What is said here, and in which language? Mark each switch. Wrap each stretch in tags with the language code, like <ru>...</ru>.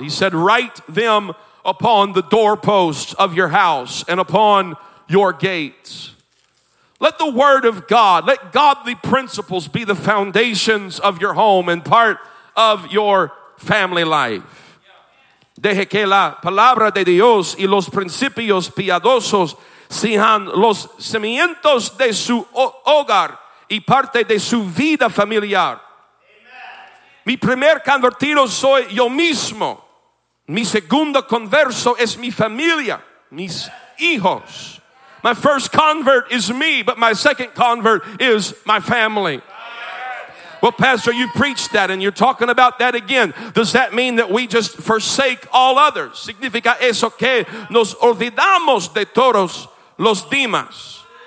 <en>He said, write them upon the doorposts of your house and upon your gates. Let the word of God, let godly principles be the foundations of your home and part of your family life.</en> <es>Deje que la palabra de Dios y los principios piadosos sean los cimientos de su hogar y parte de su vida familiar. Mi primer convertido soy yo mismo. Mi segundo converso es mi familia, mis hijos.</es> <en>My first convert is me, but my second convert is my family. Well, Pastor, you preached that and you're talking about that again. Does that mean that we just forsake all others?</en> <es>Significa eso que nos olvidamos de todos los demás.</es>